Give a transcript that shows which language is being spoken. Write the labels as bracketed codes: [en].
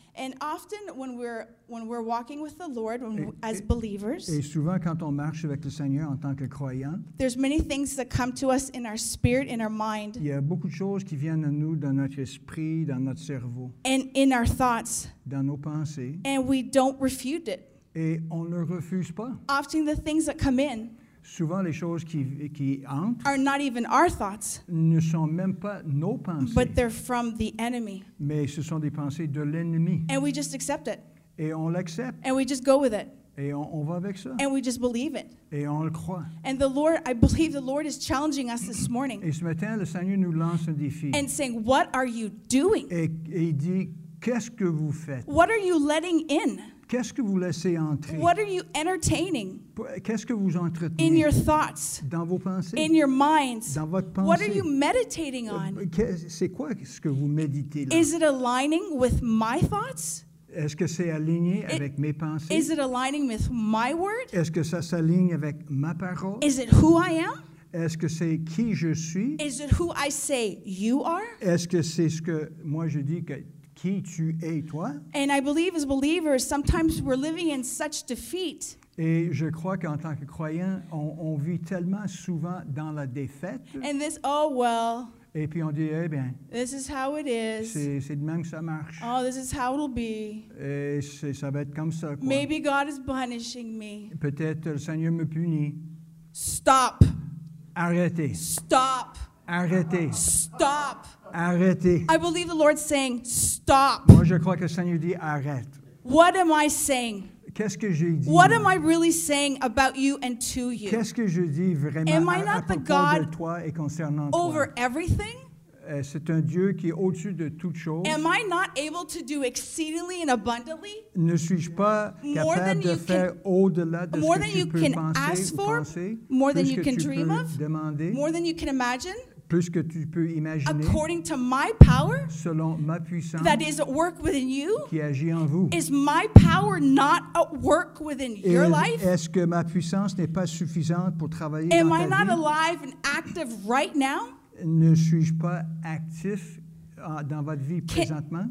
[en] And often when we're walking with the Lord, as believers, [fr] et souvent quand on marche avec le Seigneur en tant que croyant, [en] there's many things that come to us in our spirit, in our mind. [fr] Il y a beaucoup de choses qui viennent à nous dans notre esprit, dans notre cerveau. [en] And in our thoughts. [fr] Dans nos pensées. [en] And we don't refute it. [fr] Et on ne refuse pas. [en] Often the things that come in. [fr] Souvent les choses qui entrent [en] are not even our thoughts, [fr] ne sont même pas nos pensées, [en] but they're from the enemy. [fr] Mais ce sont des pensées de l'ennemi. [en] And we just accept it. [fr] Et on l'accepte. [en] And we just go with it. [fr] Et on va avec ça. [en] And we just believe it. [fr] Et on le croit. [en] And the Lord, I believe the Lord is challenging us this morning. [fr] Et ce matin, le Seigneur nous lance un défi. [en] And saying, what are you doing? [fr] Et il dit, qu'est-ce que vous faites? [en] What are you letting in? [fr] Qu'est-ce que vous laissez entrer? [en] What are you entertaining? [fr] Qu'est-ce que vous entretenez? [en] In your thoughts. [fr] Dans vos pensées. [en] In your minds. [fr] Dans votre pensée. [en] What are you meditating on? [fr] C'est quoi ce que vous méditez là? [en] Is it aligning with my thoughts? [fr] Est-ce que c'est aligné avec mes pensées? [en] Is it aligning with my word? [fr] Est-ce que ça s'aligne avec ma parole? [en] Is it who I am? [fr] Est-ce que c'est qui je suis? [en] Is it who I say you are? [fr] Est-ce que c'est ce que moi je dis que qui tu es toi? [en] And I believe as believers, sometimes we're living in such defeat. [fr] Et je crois qu'en tant que croyant, on vit tellement souvent dans la défaite. [en] And this, oh well. [fr] Et puis on dit, eh bien, [en] this is how it is. [fr] C'est de même que ça marche. [en] Oh, this is how it'll be. [fr] Et ça va être comme ça, quoi. [en] Maybe God is punishing me. [fr] Peut-être le Seigneur me punit. [en] Stop. [fr] Arrêtez. [en] Stop. [fr] Arrêtez. [en] Stop. [fr] Arrêtez. [en] I believe the Lord's saying, stop. [fr] Moi, je crois que le Seigneur dit, arrête. [en] What am I saying? [fr] Qu'est-ce que je dis? [en] What am I really saying about you and to you? [fr] Qu'est-ce que je dis vraiment? [en] Am I not the God over toi? Everything? [fr] C'est un Dieu qui est au-dessus de toutes choses. [en] Am I not able to do exceedingly and abundantly? [fr] Ne suis-je pas capable de faire au-delà de ce que tu peux penser ou penser? [en] More than you can ask for? more than you can dream of? [fr] Demander, [en] more than you can imagine? [fr] Plus que tu peux imaginer, [en] according to my power, [fr] selon ma puissance, [en] that is at work within you, [fr] qui agit en vous, [en] is my power not at work within your life? [fr] Est-ce que ma puissance n'est pas suffisante pour travailler dans ta vie? [en] Am I not alive and active right now? [fr] Ne suis-je pas actif dans votre vie présentement?